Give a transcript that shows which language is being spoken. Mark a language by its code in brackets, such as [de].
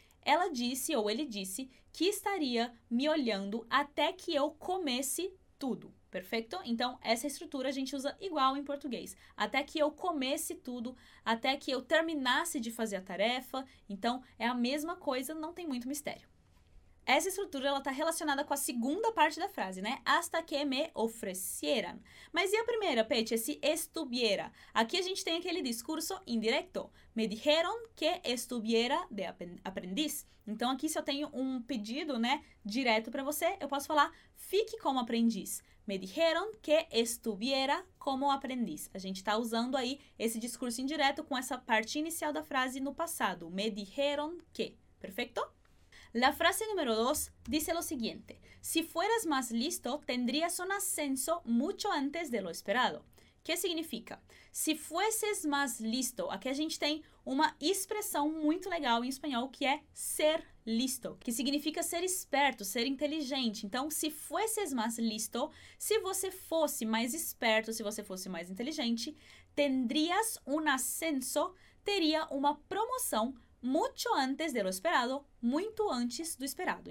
[pt] Ela disse, ou ele disse, que estaria me olhando até que eu comesse tudo, perfeito? Então, essa estrutura a gente usa igual em português. Até que eu comesse tudo, até que eu terminasse de fazer a tarefa. Então, é a mesma coisa, não tem muito mistério. Essa estrutura ela está relacionada com a segunda parte da frase, né? [es] Hasta que me ofrecieran. [pt] Mas e a primeira, Peche? [es] Se estuviera. [pt] Aqui a gente tem aquele discurso indirecto. [es] Me dijeron que estuviera de aprendiz. [pt] Então aqui, se eu tenho um pedido, né, direto para você, eu posso falar: fique como aprendiz. [es] Me dijeron que estuviera como aprendiz. [pt] A gente está usando aí esse discurso indireto com essa parte inicial da frase no passado. [es] Me dijeron que. Perfeito? La frase número 2 dice lo siguiente: si fueras más listo, tendrías un ascenso mucho antes de lo esperado. ¿Qué significa? Si fueses más listo, [pt] aquí a gente tem uma expressão muito legal em espanhol que é ser listo, que significa ser esperto, ser inteligente. Então, [es] se fueses más listo, [pt] se você fosse mais esperto, se você fosse mais inteligente, [es] tendrías un ascenso, [pt] teria uma promoção [es] mucho antes de lo esperado, [pt] muito antes do esperado.